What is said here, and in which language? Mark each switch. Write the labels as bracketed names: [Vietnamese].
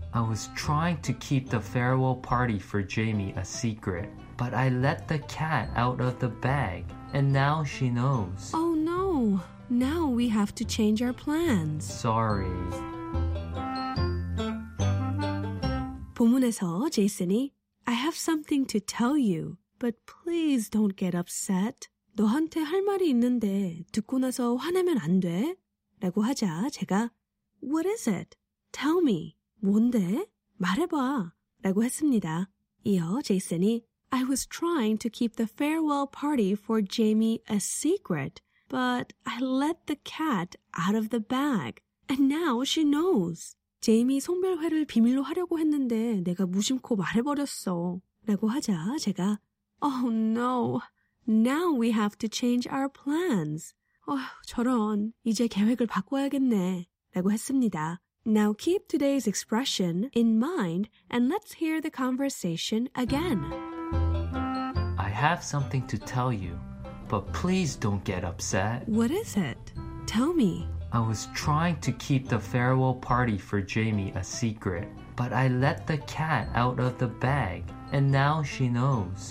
[English] I was trying to keep the farewell party for Jamie a secret, but I let the cat out of the bag, and now she knows. Oh no! Now we have to change our plans. Sorry. [Korean] 본문에서 제이슨이 [English] I have something to tell you, but please don't get upset. [Korean] 너한테 할 말이 있는데 듣고 나서 화내면 안 돼? 라고 하자 제가 [English] What is it? Tell me. [Korean] 뭔데? 말해봐. 라고 했습니다. 이어 제이슨이 [English] I was trying to keep the farewell party for Jamie a secret. But I let the cat out of the bag, and now she knows. [Korean] 제이미 송별회를 비밀로 하려고 했는데 내가 무심코 말해버렸어. 라고 하자 제가, [English] Oh no, now we have to change our plans. [Korean] 저런, 이제 계획을 바꿔야겠네. 라고 했습니다. [English] Now keep today's expression in mind, and let's hear the conversation again. I have something to tell you. But please don't get upset. What is it? Tell me. I was trying to keep the farewell party for Jamie a secret, but I let the cat out of the bag, and now she knows.